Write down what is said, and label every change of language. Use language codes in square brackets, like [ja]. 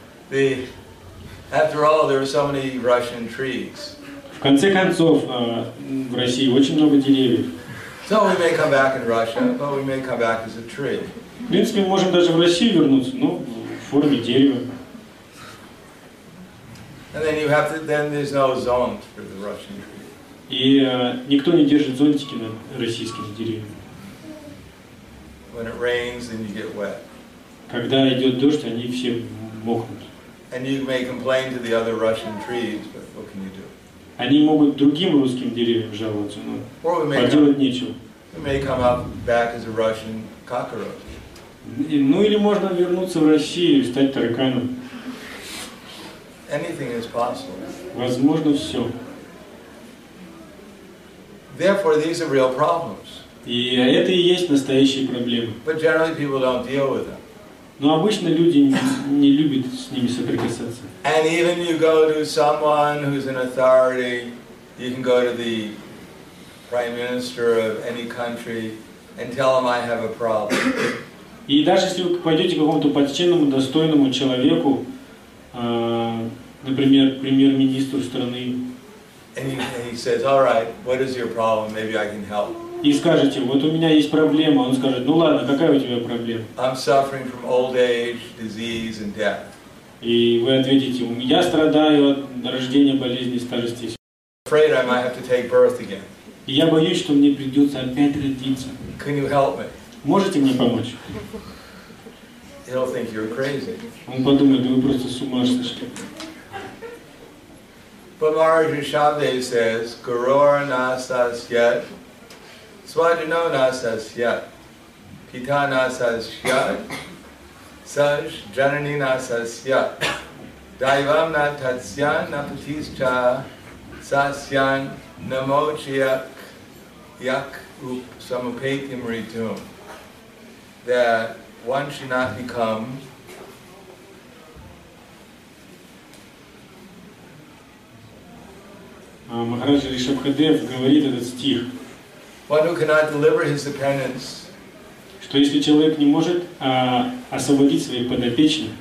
[en] After all, there are so many Russian trees. [ru] В конце концов, в России очень много деревьев. [en] So we may come back in Russia, but we may come back as a tree. [ru] В принципе, мы можем даже в Россию вернуться, но в форме дерева. [en] And then you have to, then there's no zone for the Russian tree. [ru] И никто не держит зонтики на российских деревьях. [en] When it rains, then you get wet. [ru] Когда идет дождь, они все мокнут. [en] And you may complain to the other Russian trees, but what can you do? [ru] Они могут другим русским деревьям жаловаться, но поделать нечего. [en] We may come up back as a Russian cockroach. [ru] Ну или можно вернуться в Россию и стать тараканом. [en] Anything is possible. [ru] Возможно все. [en] Therefore, these are real problems. [ru] И это и есть настоящие проблемы. [en] But generally, people don't deal with them. [ru] Но обычно люди не любят с ними соприкасаться. [en] And even you go to someone who's an authority, you can go to the prime minister of any country and tell him I have a problem. [ru] И даже если вы пойдете к какому-то почтенному, достойному человеку, например, премьер-министру страны, [en] and he says, all right, what is your problem? Maybe I can help. [ru] И скажете, вот у меня есть проблема. Он скажет, ну ладно, какая у тебя проблема? [en] I'm suffering from old age, disease, and death. [ru] И вы ответите, я страдаю от рождения, болезни, старости. [en] Afraid I might have to take birth again. [ru] И я боюсь, что мне придется опять родиться. [en] Can you help me? [ru] Можете мне помочь? [en] He'll think you're crazy. [ru] Он подумает, вы просто с ума сошли. [en] But Maharaja Shabde says, [sa] Guror nasas yet, Swadino nasas yet, Pita nasas yet, Saj janani nasas yet, Daivam na tatsyan na patischa, Sasyan namochiyak yak up samupetim ritum. [en] That one should not become [ru] Махараджа Ришабхадев говорит этот стих. [en] One who cannot deliver his dependents, [ru] что если человек не может освободить своих подопечных